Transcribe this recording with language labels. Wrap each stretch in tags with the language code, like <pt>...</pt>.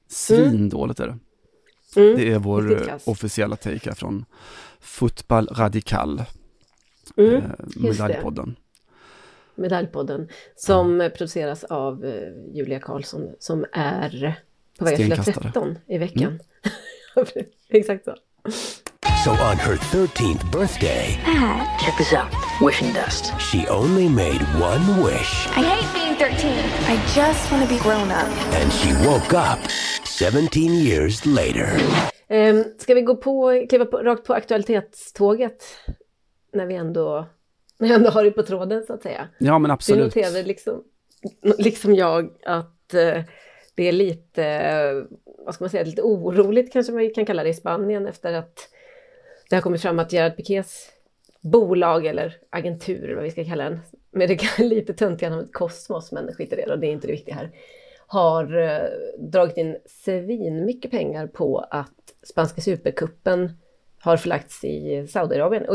<sv>Svindåligt är det. Det är vår officiella take här från Football Radical. Medaljpodden. Medaljpodden som produceras av Julia Karlsson som är på väg att fylla 13 i veckan. Mm. Exakt så.</sv> <en>So on her 13th birthday, check this out, wishing dust. She only made one wish. I hate being 13. I just want to be grown up. And she woke up 17 years later.</en> <sv>Ska vi gå på, kliva på, rakt på aktualitetståget när vi ändå har det på tråden så att säga? Ja, men absolut. Du noterade liksom jag att det är lite, vad ska man säga, lite oroligt kanske man kan kalla det i Spanien efter att det har kommit fram att Gerard Piqués bolag eller agentur, vad vi ska kalla den, med det lite töntiga namnet Cosmos, men skit i det, och det är inte det viktiga här, har dragit in svin mycket pengar på att spanska superkuppen har förlagts i Saudiarabien.</sv>